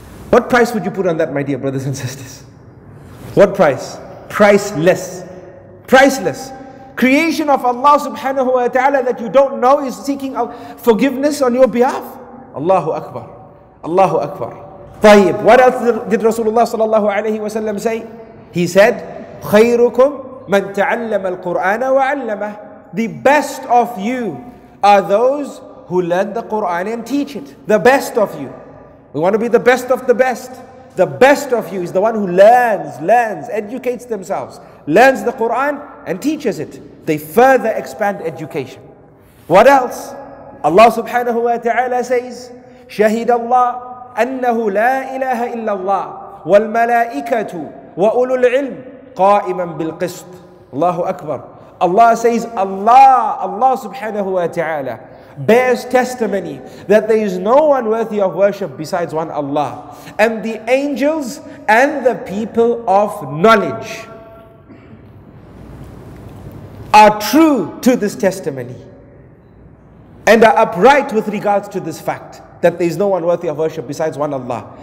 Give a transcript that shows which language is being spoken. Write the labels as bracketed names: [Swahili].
[English] What price would you put on that, my dear brothers and sisters? What price? Priceless. Priceless. Creation of Allah subhanahu wa ta'ala that you don't know is seeking forgiveness on your behalf? Allahu Akbar. Allahu Akbar. Tayyib. What else did Rasulullah sallallahu alayhi wa sallam say? He said, [Arabic] خَيْرُكُمْ مَنْ تَعَلَّمَ الْقُرْآنَ وَعَلَّمَهُ. [English] The best of you are those who learn the Qur'an and teach it. The best of you. We want to be the best of the best. The best of you is the one who learns, educates themselves, learns the Qur'an and teaches it. They further expand education. What else? Allah subhanahu wa ta'ala says, [Arabic] شَهِدَ اللَّهُ أَنَّهُ لَا إِلَهَ إِلَّا اللَّهُ وَالْمَلَائِكَةُ وَأُولُو الْعِلْمِ قَائِمًا بِالْقِسْطِ. Allahu Akbar. [English] Allah says, Allah subhanahu wa ta'ala bears testimony that there is no one worthy of worship besides one Allah, and the angels and the people of knowledge are true to this testimony and are upright with regards to this fact that there is no one worthy of worship besides one Allah.